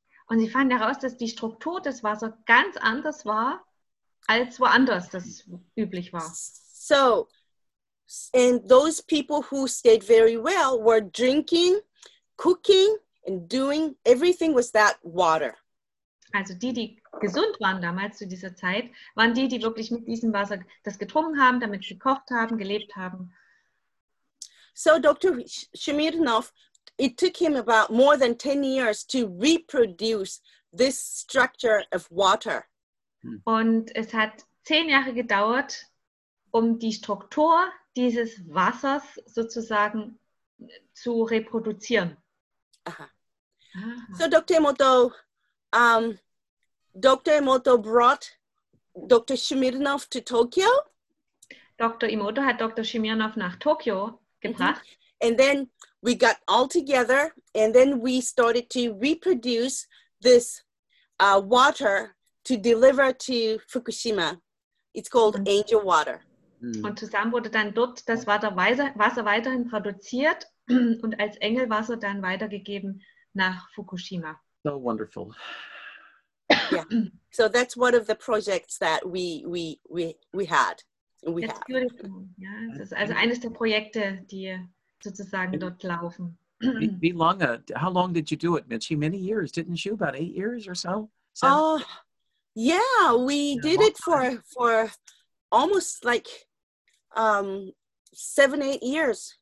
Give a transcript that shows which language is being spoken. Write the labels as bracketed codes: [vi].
[de] Und sie fanden heraus, dass die Struktur des Wassers ganz anders war, als woanders das üblich war. [en] So, and those people who stayed very well were drinking, cooking, and doing everything with that water. [de] Also die, die gesund waren damals zu dieser Zeit, waren die, die wirklich mit diesem Wasser das getrunken haben, damit gekocht haben, gelebt haben. [en] So Dr. Shmilnov, it took him about more than 10 years to reproduce this structure of water. [de] Und es hat 10 Jahre gedauert, um die Struktur dieses Wassers sozusagen zu reproduzieren. [en] Aha. So Dr. Emoto brought Dr. Shmilnov to Tokyo. [de] Dr. Emoto hat Dr. Shmilnov nach Tokyo gebracht. Mm-hmm. [en] And then we got all together and then we started to reproduce this water to deliver to Fukushima. It's called Angel Water. [de] Und zusammen wurde dann dort das Wasser weiterhin produziert und als Engelwasser dann weitergegeben nach Fukushima. [en] So wonderful. Yeah. So that's one of the projects that we had. [de] Ja, das ist also eines der Projekte, die sozusagen dort laufen. [en] How long did you do it, Mitchy? Many years, didn't you? About 8 years or so? We did it for almost like 7-8 years.